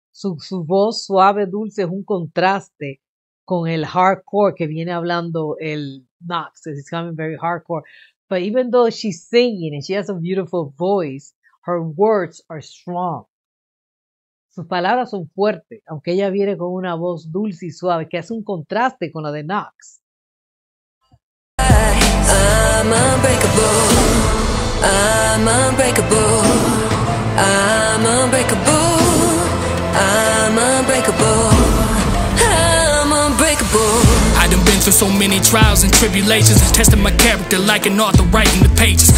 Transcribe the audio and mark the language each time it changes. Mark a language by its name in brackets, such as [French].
[Spanish] Su voz suave, dulce, es un contraste con el hardcore que viene hablando el Knox. [English] It's coming very hardcore. But even though she's singing and she has a beautiful voice, her words are strong. [Spanish] Sus palabras son fuertes, aunque ella viene con una voz dulce y suave, que hace un contraste con la de Knox. [English] I'm unbreakable, I'm unbreakable, I'm unbreakable, I'm unbreakable, I'm unbreakable. I done been through so many trials and tribulations. It's testing my character like an author writing the pages.